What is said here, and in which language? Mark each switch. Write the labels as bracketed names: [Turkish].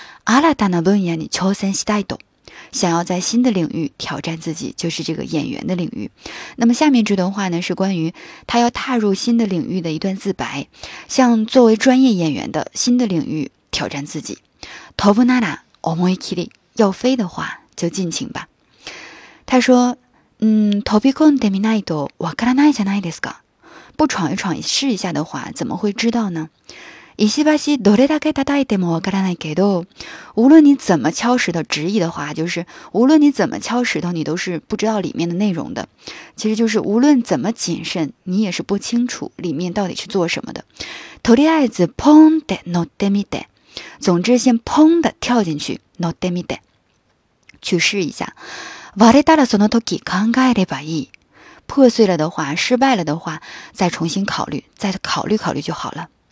[Japanese] 新たな分野に挑戦したいと。 [Chinese] 想要在新的领域挑战自己，就是这个演员的领域。那么下面这段话呢，是关于他要踏入新的领域的一段自白，向作为专业演员的新的领域挑战自己。 [Japanese] 飛ぶなら思い切り， [Chinese] 要飞的话就尽情吧。他说 [Japanese] 飛び込んでみないとわからないじゃないですか， [Chinese] 不闯一闯试一下的话怎么会知道呢。 [Japanese] 石橋どれだけ叩いてもわからないけど， [Chinese] 无论你怎么敲石头，直译的话就是无论你怎么敲石头，你都是不知道里面的内容的。其实就是无论怎么谨慎，你也是不清楚里面到底是做什么的。 [Japanese] とりあえずポンって乗ってみて， [Chinese] 总之先砰的跳进去， [Japanese] 乗ってみて， [Chinese] 去试一下。 [Japanese] 割れたらその時考えればいい， [Chinese] 破碎了的话，失败了的话，再重新考虑，再考虑考虑就好了。